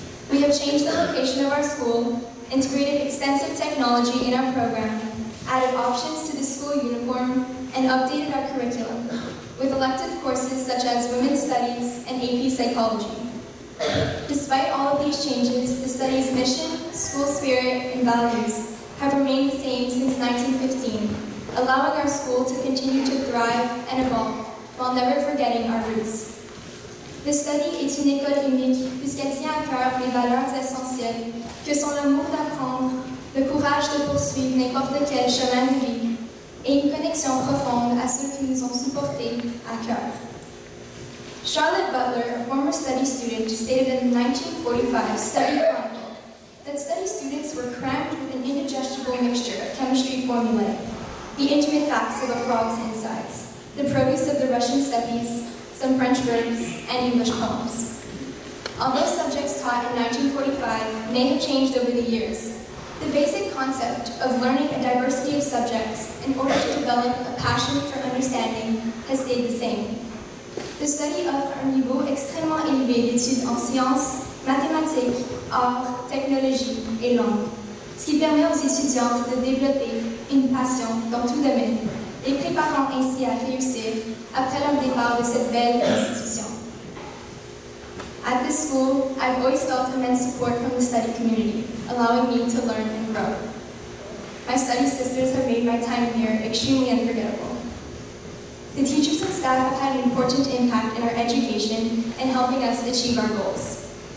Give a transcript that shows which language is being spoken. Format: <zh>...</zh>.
<en>We have changed the location of our school, integrated extensive technology in our program, added options to the school uniform, and updated our curriculum with elective courses such as Women's Studies and AP Psychology. Despite all of these changes, the study's mission, school spirit, and values have remained the same since 1915, allowing our school to continue to thrive and evolve while never forgetting our roots. The study is</en> <fr>une école unique puisqu'elle tient à cœur les valeurs essentielles que sont l'amour d'apprendre, le courage de poursuivre n'importe quel chemin de vie, et une connexion profonde à ceux qui nous ont supportés à cœur.</fr> <en>Charlotte Butler, a former study student, stated in the 1945 study chronicle that study students were crammed with an indigestible mixture of chemistry formulae, the intimate facts of a frog's insides, the produce of the Russian studies, some French verbs, and English poems. Although subjects taught in 1945 may have changed over the years, the basic concept of learning a diversity of subjects in order to develop a passion for understanding has stayed the same.</en> <fr>The study of un niveau extrêmement élevé d'études en sciences, mathématiques, arts, technologies et langues, ce qui permet aux étudiantes de développer une passion dans tout domaine, les préparant ainsi à réussir après leur départ de cette belle institution.</fr> <en>At this school, I've always felt immense support from the study community, allowing me to learn and grow. My study sisters have made my time here extremely unforgettable. The teachers and staff have had an important impact in our education and helping us achieve our goals.</en>